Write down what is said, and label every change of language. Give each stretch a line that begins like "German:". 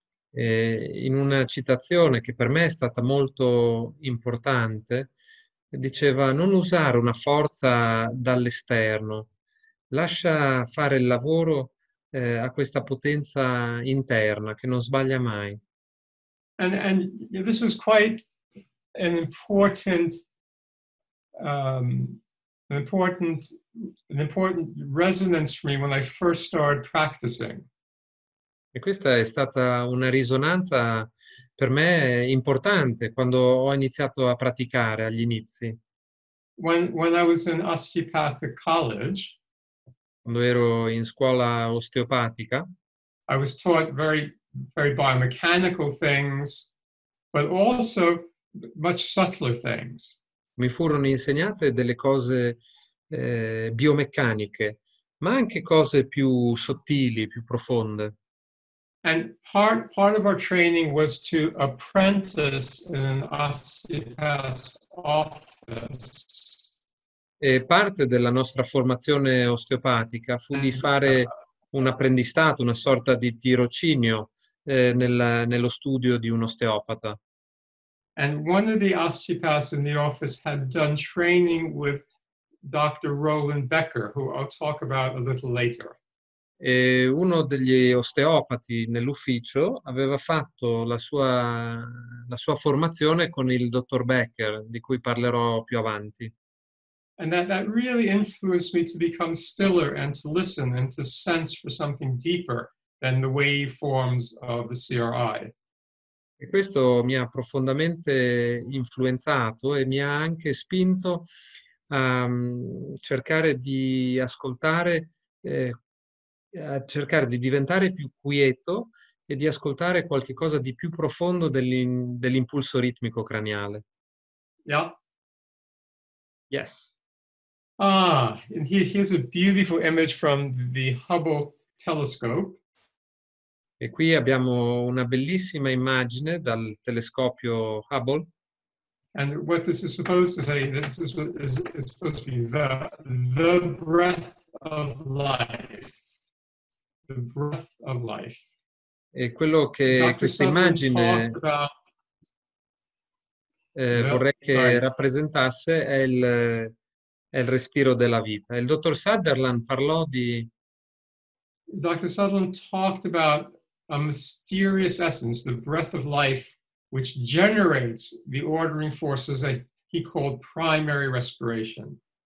Italian: In una citazione che per me è stata molto importante, diceva: non usare una forza dall'esterno, lascia fare il lavoro a questa potenza interna che non sbaglia mai.
English: And this was quite an important resonance for me when I first started practicing.
Italian: E questa è stata una risonanza per me importante quando ho iniziato a praticare agli inizi.
English: When I was in osteopathic college,
Italian: quando ero in scuola osteopatica,
English: I was taught very, very biomechanical things, but also much subtler things.
Italian: Mi furono insegnate delle cose biomeccaniche, ma anche cose più sottili, più profonde.
English: And part of our training was to apprentice in an osteopath's office.
Italian: E parte della nostra formazione osteopatica fu di fare un apprendistato, una sorta di tirocinio nello studio di un osteopata.
English: And one of the osteopaths in the office had done training with Dr. Roland Becker, who I'll talk about a little later.
Italian: E uno degli osteopati nell'ufficio aveva fatto la sua formazione con il dottor Becker, di cui parlerò più avanti.
English: And that really influenced me to become stiller and to listen and to sense for something deeper than the waveforms of the CRI.
Italian: E questo mi ha profondamente influenzato e mi ha anche spinto a cercare di ascoltare, a cercare di diventare più quieto e di ascoltare qualche cosa di più profondo dell'impulso ritmico craniale.
English: Yeah. Yes. Ah, and here's a beautiful image from the Hubble telescope.
Italian: E qui abbiamo una bellissima immagine dal telescopio Hubble.
English: And what this is supposed to say, this is supposed to be the breath of life. The breath of life.
Italian: E quello che questa immagine vorrei che rappresentasse è il respiro della vita. Il dottor Sutherland parlò di...
English: Dr. Sutherland talked about a mysterious essence, the breath of life, which generates the ordering forces that he called primary respiration.